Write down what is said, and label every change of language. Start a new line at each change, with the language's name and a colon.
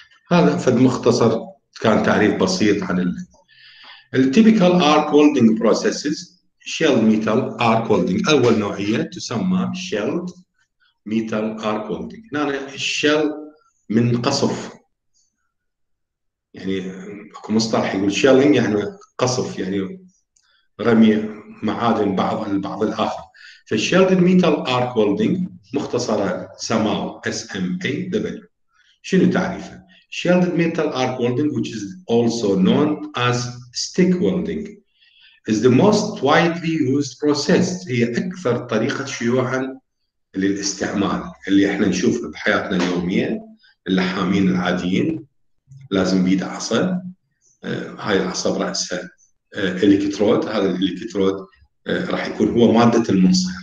Arabic: هذا فد مختصر، كان تعريف بسيط عن الـ
English: typical arc welding processes. shell metal arc welding
Arabic: أول نوعية تسمى
English: shelled metal arc welding.
Arabic: هنا الشل من قصف، يعني أكو مصطلح يقول shelling يعني قصف، يعني رمي معادن بعض البعض الآخر. فال
English: shelled metal arc welding
Arabic: مختصرة سماو SMAW. شنو تعريفه؟
English: Shielded metal arc welding, which is also known as stick welding, is the most widely used process.
Arabic: هي أكثر طريقة شيوعاً للاستعمال اللي إحنا نشوفها بحياتنا اليومية. اللحامين العاديين لازم بيد عصا، هاي العصا برأسها إلكترود. هذا الإلكترود راح يكون هو مادة المنصهر.